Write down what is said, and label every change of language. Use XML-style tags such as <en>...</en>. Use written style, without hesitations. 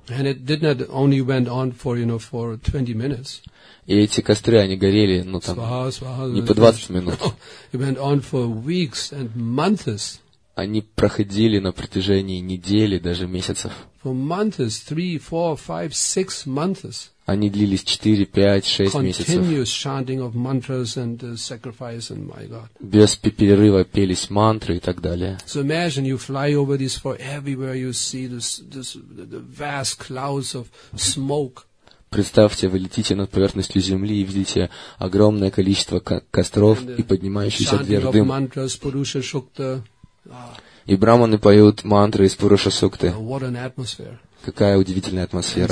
<en>And it did not only went on for, you know, for 20 minutes.</en> <ru>И эти костры, они горели, ну там, не по 20 минут.</ru> <en>It went on for weeks and months.</en> <ru>Они проходили на протяжении недели, даже месяцев.</ru> <en>For months, 3, 4, 5, 6 months.</en> <ru>Они длились 4, 5, 6 месяцев.</ru> <en>Continuous chanting of mantras and sacrifice, and my God.</en> <ru>Без перерыва пелись мантры и так далее.</ru> <en>So imagine you fly over this for everywhere you see this vast clouds of smoke.</en> <ru>Представьте, вы летите над поверхностью земли и видите огромное количество костров и поднимающийся вверх дым.</ru> <en>Mantras, Purusha Shukta.</en> <ru>И браманы поют мантры из Пуруша Сукты.</ru> <en>What an atmosphere.</en> <ru>Какая удивительная атмосфера.</ru>